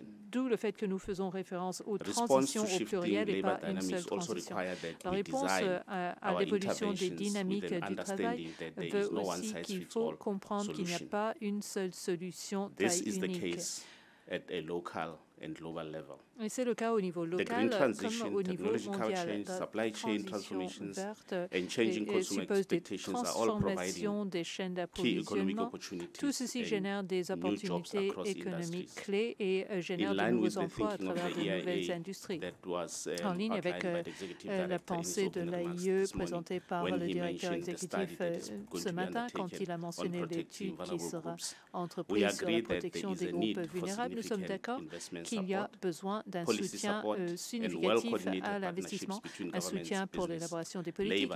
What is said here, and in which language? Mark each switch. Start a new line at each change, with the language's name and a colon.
French: D'où le fait que nous faisons référence aux transitions au pluriel et pas une seule transition. La réponse à l'évolution des dynamiques du travail veut aussi qu'il faut comprendre qu'il n'y a pas une seule solution taille unique.
English: At a local and global level.
French: Et c'est le cas au niveau local, comme au niveau mondial.
English: The green transition, technological change, supply chain transformations, and changing consumer expectations are all providing
French: des chaînes d'approvisionnement. Tout ceci génère des opportunités économiques clés et génère de nouveaux emplois à travers de nouvelles industries. En ligne avec la pensée de l'AIE présentée par le directeur exécutif ce matin, quand il a mentionné l'étude qui sera entreprise sur la protection des groupes vulnérables, nous sommes d'accord qu'il y a besoin d'un soutien significatif à l'investissement, un soutien pour l'élaboration des politiques.